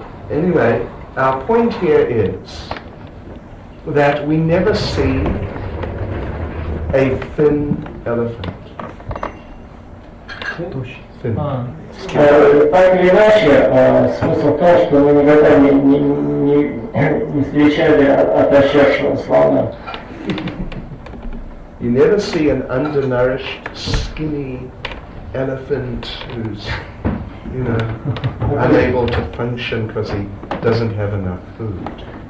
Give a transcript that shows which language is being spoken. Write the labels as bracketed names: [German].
[English] Anyway, our point here is that we never see a thin elephant. Thin. [Russian] Так или иначе, смысл в том, что мы никогда не встречали отощавшего слона. [English] You never see an undernourished, skinny elephant who's, you know, unable to function because he doesn't have enough food.